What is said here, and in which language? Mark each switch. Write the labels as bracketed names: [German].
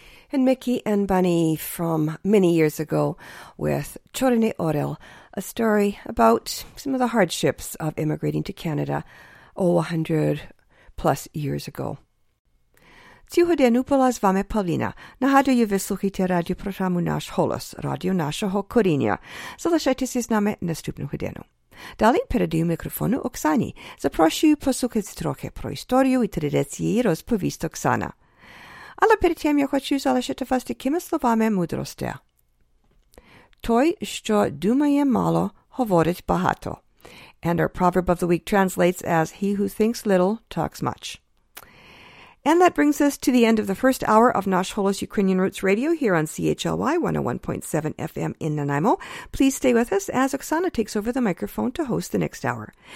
[English] And Mickey and Bunny from many years ago with Chorne Orel, a story about some of the hardships of immigrating to Canada 100 plus years ago. [Ukrainian] Цього дня була з вами Павліна. Нагадую, ви слухаєте радіопрограму «Наш голос», радіо нашого коріння. Залишайтеся з нами наступну годину. Далі передаю мікрофону Оксані. Запрошую послухати трохи про історію і традиції розповість Оксана. Але перед тим я хочу залишити вас такими словами мудрості. Той, що думає мало, говорить багато. [English] And our proverb of the week translates as he who thinks little talks much. And that brings us to the end of the first hour of Nash Holos Ukrainian Roots Radio here on CHLY 101.7 FM in Nanaimo. Please stay with us as Oksana takes over the microphone to host the next hour.